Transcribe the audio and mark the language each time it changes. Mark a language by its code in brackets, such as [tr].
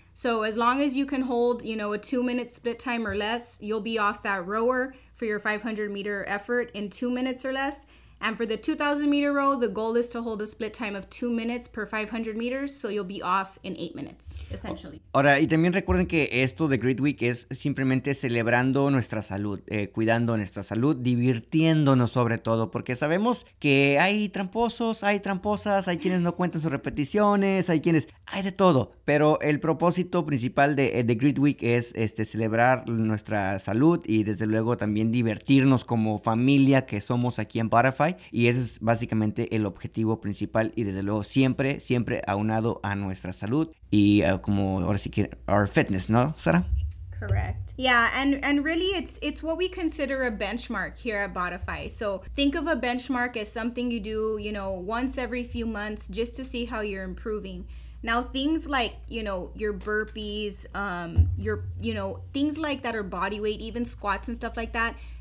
[en] So as long as you can hold, you know, a 2 minute split time or less, you'll be off that rower for your 500 meter effort in 2 minutes or less. And for the 2000 meter row, the goal is to hold a split time of 2 minutes per 500 meters. So you'll be off in 8 minutes, essentially. [es] Ahora, y también recuerden que esto de Grid Week es simplemente celebrando nuestra salud, cuidando nuestra salud, divirtiéndonos sobre todo, porque sabemos que hay tramposos, hay tramposas, hay quienes no cuentan sus repeticiones, hay quienes, hay de todo. Pero el propósito principal de Grid Week es celebrar nuestra salud y desde luego también divertirnos como familia que somos aquí en Bodify. Y ese es básicamente el objetivo principal y desde luego siempre, siempre aunado a nuestra salud y como ahora sí que [en] our fitness, [es] ¿no, Sara? [en] Correct. Yeah, and really it's what we consider a benchmark here at Bodify. So think of a benchmark as something you do, you know, once every few months just to see how you're improving. Now things like, you know, your burpees, your, you know, things like that are body weight, even squats and stuff like that.